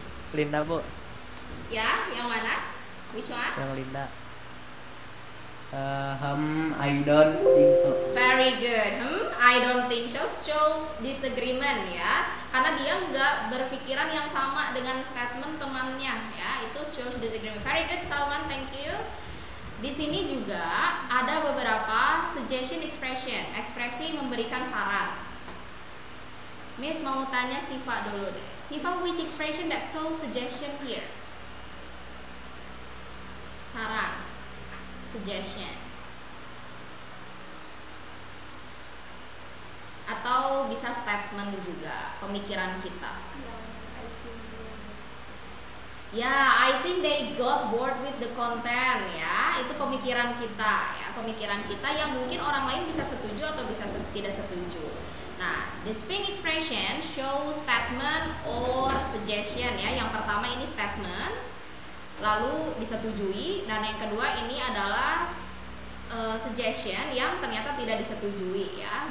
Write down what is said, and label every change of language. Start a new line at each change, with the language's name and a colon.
Indonesian: Linda, Bu. Ya, yang mana?
English: Which one?
Indonesian: Yang Linda.
English: I don't think so. Very good. Hmm, I don't think so shows disagreement ya.
Indonesian: Karena dia enggak berpikiran yang sama dengan statement temannya ya. Itu
English: shows disagreement. Very good, Salman. Thank you.
Indonesian: Di sini juga ada beberapa suggestion expression, ekspresi memberikan saran.
English: Miss
Indonesian: mau tanya Siva dulu deh.
English: Siva, which expression that so suggestion here?
Indonesian: Saran, suggestion. Atau bisa statement juga, pemikiran kita.
English: Ya, yeah, I think they got bored with the content ya.
Indonesian: Itu pemikiran kita ya, pemikiran kita yang mungkin orang lain bisa setuju atau bisa tidak setuju.
English: Nah, this pink expression show statement or suggestion ya.
Indonesian: Yang pertama ini statement, lalu disetujui, dan yang kedua ini adalah suggestion yang ternyata tidak disetujui ya.